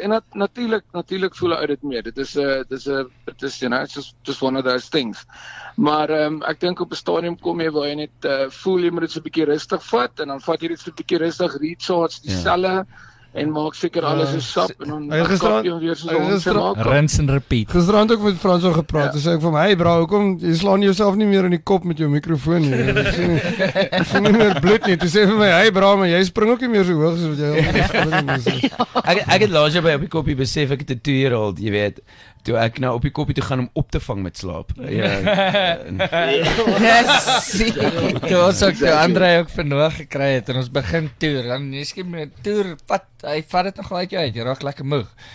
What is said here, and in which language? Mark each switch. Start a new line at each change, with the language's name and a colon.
Afrikaans: En natuurlik voel ek dit meer. Dit is
English: one of those things.
Afrikaans: Maar ek dink op 'n stadium kom jy waar jy net voel jy moet dit so 'n bietjie rustig vat en dan vat jy dit so 'n bietjie rustig recharge die selle. En maak seker alles is sap en dan kan jy weer soos rinse en repeat. Gisterand ook met Frans oor gepraat en sê ek vir my, hey bro, hoekom jy slaan jouself nie meer in die kop met jou mikrofoon nie. Ek voel nie meer bloed nie. Toe sê vir my, hey bro, maar jy spring ook nie meer so hoog as wat jy al ek het laas jaar by op die koppie besef ek het 'n 2 jaar oud, jy weet. Toe ek nou op die koppie toe gaan om op te vang met slaap. Toe ons ook toe Andre ook vernoeg gekry het en ons begin toer, dan miskien met toer, wat, hy vat het nog uit jou uit, jy raak lekker moeg.